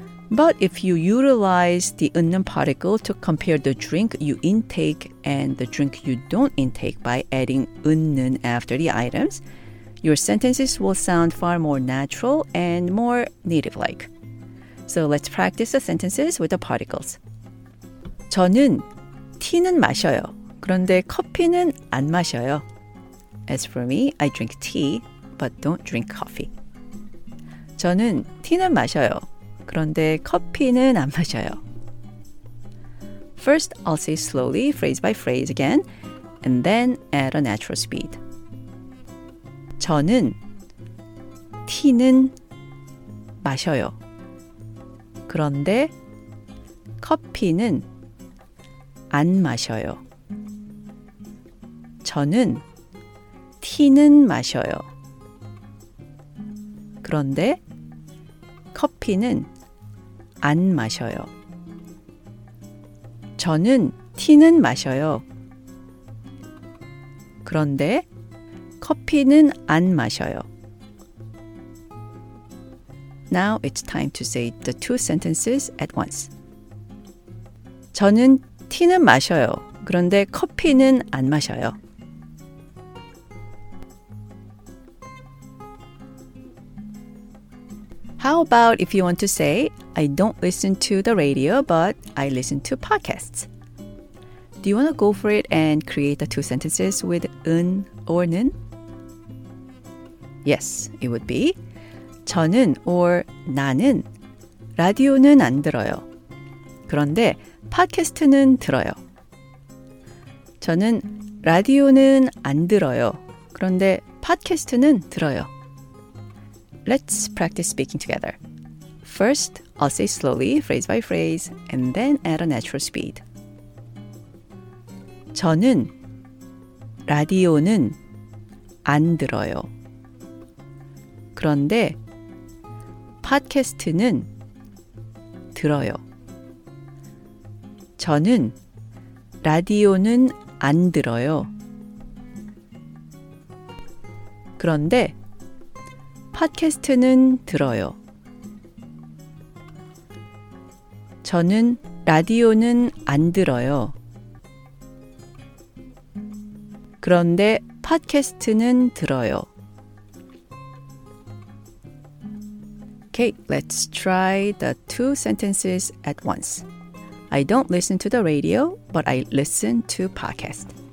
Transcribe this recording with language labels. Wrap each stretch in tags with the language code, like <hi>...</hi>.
<en>But if you utilize the 은는 particle to compare the drink you intake and the drink you don't intake by adding 은는 after the items, your sentences will sound far more natural and more native-like. So let's practice the sentences with the particles.</en> <ko>저는 티는 마셔요. 그런데 커피는 안 마셔요.</ko> <en>As for me, I drink tea, but don't drink coffee.</en> <ko>저는 티는 마셔요. 그런데 커피는 안 마셔요.</ko> <en>First, I'll say slowly, phrase by phrase again, and then at a natural speed.</en> <ko>저는 티는 마셔요. 그런데 커피는 안 마셔요. 저는 티는 마셔요. 그런데 커피는 안 마셔요. 저는 티는 마셔요. 그런데 커피는 안 마셔요.</ko> <en>Now it's time to say the two sentences at once.</en> <ko>저는 티는 마셔요. 그런데 커피는 안 마셔요.</ko> <en>How about if you want to say, I don't listen to the radio, but I listen to podcasts. Do you want to go for it and create the two sentences with 은 or 는? Yes, it would be</en> <ko>저는 or 나는 라디오는 안 들어요. 그런데 팟캐스트는 들어요. 저는 라디오는 안 들어요. 그런데 팟캐스트는 들어요.</ko> <en>Let's practice speaking together. First, I'll say slowly, phrase by phrase, and then at a natural speed.</en> <ko>저는 라디오는 안 들어요. 그런데 팟캐스트는 들어요. 저는 라디오는 안 들어요. 그런데 팟캐스트는 들어요. 저는 라디오는 안 들어요. 그런데 팟캐스트는 들어요.</ko> <en>Okay, let's try the two sentences at once. I don't listen to the radio, but I listen to podcasts.</en>